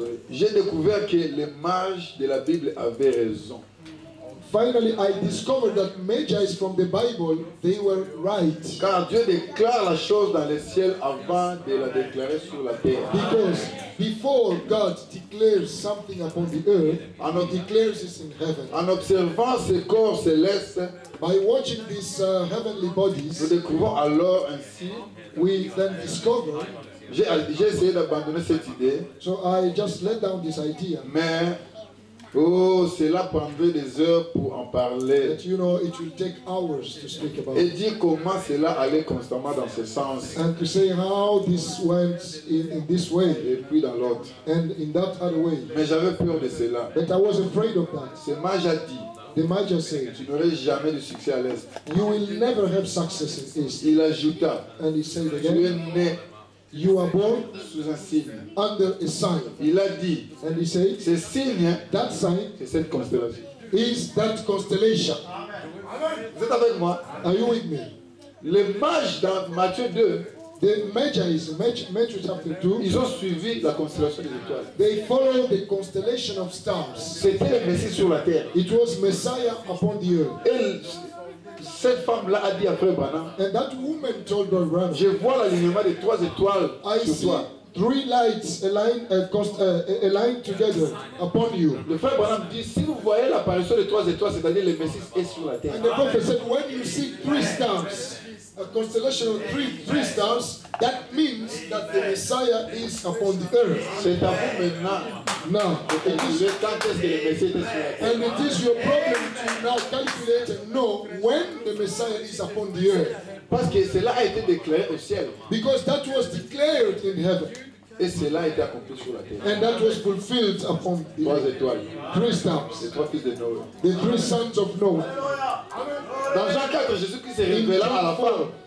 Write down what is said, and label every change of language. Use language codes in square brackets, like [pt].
[fr] j'ai découvert que les mages de la Bible avaient raison. [en] Finally, I discovered that magi from the Bible, they were right. [fr] Car Dieu déclare la chose dans le ciel avant de la déclarer sur la terre. [en] Because before God declares something upon the earth, en, he declares it in heaven. [fr] En observant ce corps céleste, [en] by watching these heavenly bodies, [fr] nous découvrons alors ainsi, [en] we then discover. [fr] J'ai essayé d'abandonner cette idée. [en] So I just let down this idea. [fr] Mais oh, cela prendrait des heures pour en parler. [en] But you know, it will take hours to speak about. [fr] Et dire comment cela allait constamment dans ce sens. [en] And to say how this went in this way. [fr] Et puis dans l'autre. [en] And in that other way. [fr] Mais j'avais peur de cela. [en] But I was afraid of that. [fr] C'est mage a dit. [en] The mage said. [fr] Tu n'auras jamais de succès à l'est. [en] You will never have success in east. [fr] Il ajouta. [en] And he said again. [fr] Tu es né. [en] You are born [fr] sous un signe. [en] Under a sign. [fr] Il a dit. [en] And he said, [fr] ce signe, [en] that sign, [fr] c'est cette constellation. [en] Is that constellation? [fr] Amen. Vous êtes avec moi? [en] Are you with me? [fr] Le mage dans Matthieu 2, [en] the magi is Matthew chapter 2. [fr] Ils ont suivi la constellation des étoiles. [en] They followed the constellation of stars. [fr] C'était le Messie sur la terre. [en] It was Messiah upon the earth. [fr] Et cette femme-là a dit après Branham. [en] And that woman told Don Branham. [fr] Je vois l'alignement des trois étoiles [en] I [fr] sur toi. [en] Three lights aligned together upon you. [fr] Le frère Branham dit, si vous voyez l'apparition des trois étoiles, c'est-à-dire le Messie est sur la terre. [en] And the prophet said, when you see three stars, a constellation of three stars, that means that the Messiah is upon the earth. [fr] C'est à vous maintenant. [en] Now, and it is your problem to now calculate and know when the Messiah is upon the earth. [fr] Parce que cela a été déclaré au ciel. [en] Because that was declared in heaven. [fr] Et cela a été accompli sur la terre. [en] And that was fulfilled upon the [fr] trois étoiles. [en] Three stars. [fr] Les trois fils de Noé. [en] The three sons of Noah. [fr] Dans Jean 4, Jésus-Christ s'est révélé à la femme.